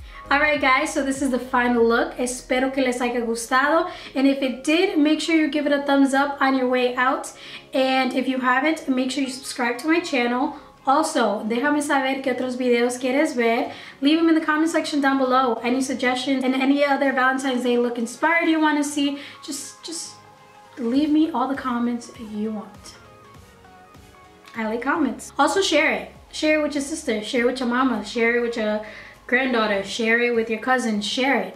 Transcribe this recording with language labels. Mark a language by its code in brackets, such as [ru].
[en] Alright guys, so this is the final look. Espero que les haya gustado. And if it did, make sure you give it a thumbs up on your way out. And if you haven't, make sure you subscribe to my channel. [es] Also, déjame saber qué otros videos quieres ver. [en] Leave them in the comment section down below. Any suggestions and any other Valentine's Day look inspired you want to see, just leave me all the comments you want. I like comments. Also, share it. Share it with your sister. Share it with your mama. Share it with your granddaughter. Share it with your cousin. Share it.